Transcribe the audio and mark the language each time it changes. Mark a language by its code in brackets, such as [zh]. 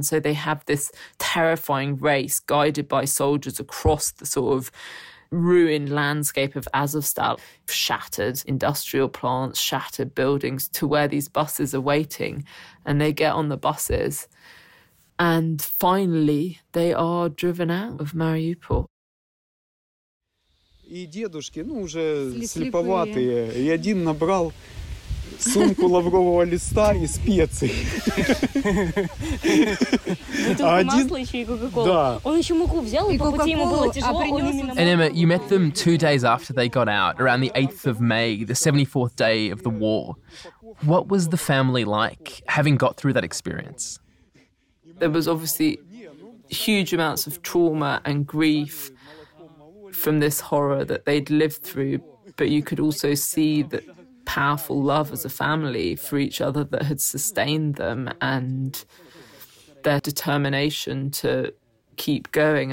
[en] So they have this terrifying race guided by soldiers across the sort of ruined landscape of Azovstal, shattered industrial plants, shattered buildings, to where these buses are waiting. And they get on the buses. And finally, they are driven out of Mariupol. [ru] И дедушки, ну, уже сліповатые. И один набрал сумку лаврового листа и специй. Бутылку один... масла еще и кока-колу. Да. Он еще муку взял, и по пути ему было тяжело. [en] And Emma, you met them 2 days after they got out, around the 8th of May, the 74th day of the war. What was the family like, having got through that experience? There was obviously huge amounts of trauma and grief from this horror that they'd lived through, but you could also see that powerful love as a family for each other that had sustained them and their determination to keep going.